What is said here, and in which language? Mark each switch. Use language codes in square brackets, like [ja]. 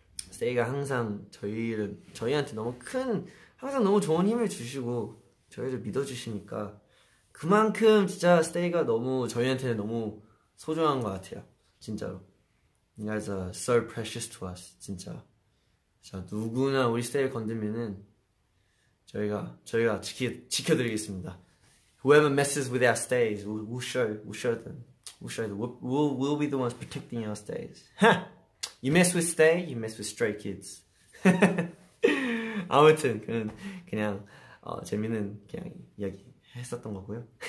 [ko] 세이가 항상 저희한테 너무 큰 항상 너무 좋은 힘을 주시고 저희를 믿어주시니까 그만큼 진짜 세이가 너무 저희한테는 너무 소중한 것 같아요 진짜로. [en] You guys are so precious to us 진짜. [ko] 자 누구나 우리 세이를 건드면은 저희가 지켜드리겠습니다. [en] Whoever messes with our stays, we'll be the ones protecting our stays. You mess with Stay, you mess with Stray Kids. [ko] 아무튼 그냥 재밌는 그냥 이야기 했었던 거고요.